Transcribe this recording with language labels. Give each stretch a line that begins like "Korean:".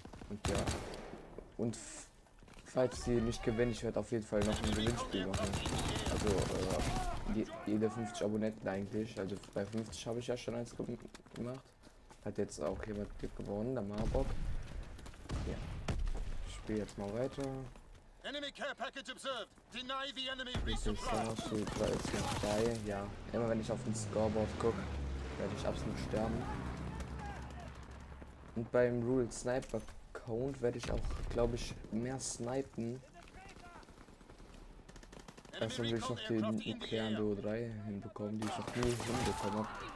German: Und ja, und falls sie nicht gewinnen, ich werde auf jeden Fall noch ein Gewinnspiel machen. Also jede 50 Abonnenten eigentlich, also bei 50 habe ich ja schon eins gemacht. Hat jetzt auch jemand gewonnen, der Marbok. Ja, ich spiele jetzt mal weiter.
English: Enemy care package observed. Deny the enemy resupply.
German: Ja, immer wenn ich auf den Scoreboard gucke, werde ich absolut sterben. Und beim Rule Sniper Count werde ich auch, glaube ich, mehr snipen. Erstmal will ich noch den nuklearen Duo 3 hinbekommen, die ich noch nie hinbekommen habe.